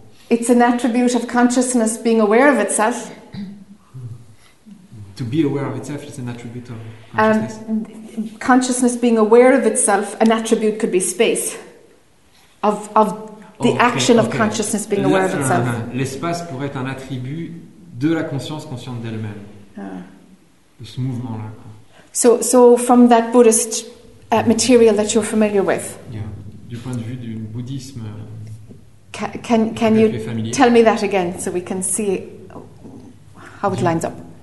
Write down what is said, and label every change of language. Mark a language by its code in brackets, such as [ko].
[en] It's an attribute of consciousness being aware of itself. To be aware of itself is an attribute of consciousness. Consciousness being aware of itself, an attribute could be space. Of the action of consciousness being aware of itself. [fr] L'espace pourrait être un attribut de la conscience consciente d'elle-même. De ce mouvement-là. [en] So from that Buddhist material that you're familiar with. [fr] Yeah. Du point de vue du bouddhisme. [en] Can you tell me that again so we can see how it lines up?